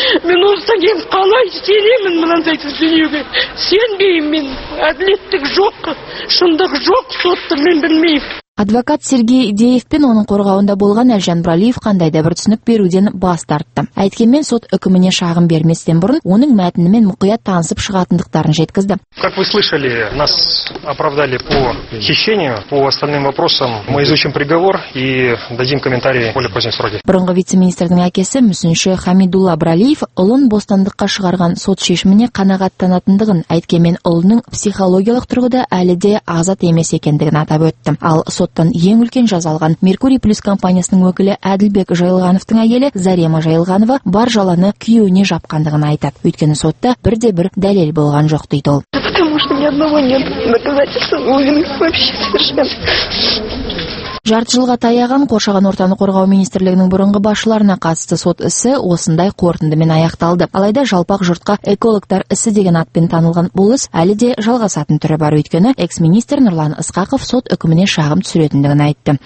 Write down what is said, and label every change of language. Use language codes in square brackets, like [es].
[kk] Мен осыдан кейін қалай сенемін мынандай дүниеге? Сенбеймін мен. Әділеттік жоқ, шындық жоқ, сотты мен білмеймін. Адвокат Сергей Деев пен оның қорғауында болған Әлжан Бралиев қандай да бір түсінік беруден бас тартты. Әйткенмен сот үкіміне шағым берместен бұрын оның мәтінімен мұқият танысып шығатындықтарын жеткізді. [ru] Как вы слышали, нас оправдали по хищению, по остальным вопросам мы изучим приговор и дадим комментарии в более позднем сроке. [kk] Бұрынғы вице-министрдің әкесі мүсінші Хамидулла Бралиев ұлын бостандыққа шығарған сот шешіміне қанағаттанатындығын, әйткенмен ұлының психологиялық тұрғыда әлі де азат емес екендігін атап өтті. Ал соттан ең үлкен жазалған Меркурий Плюс компаниясының өкілі Әділбек Жайылғановтың әйелі Зарема Жайылғанова бар жаланы күйеуіне жапқандығын айтады. Өйткені сотта бірде бір дәлел болған жоқ дейді ол. [ru] Потому что ни одного нет доказательства, уверенность вообще совершенно. [kk] Жарты жылға таяған қоршаған ортаны қорғау министрлігінің бұрынғы басшыларына қатысты сот ісі осындай қорытындымен аяқталды. Алайда жалпақ жұртқа экологтар ісі деген атпен танылған бұл іс әлі де жалғасатын түрі бар, өйткені экс-министр Нұрлан Ысқақов сот үкіміне шағым түсіретіндігін айтты.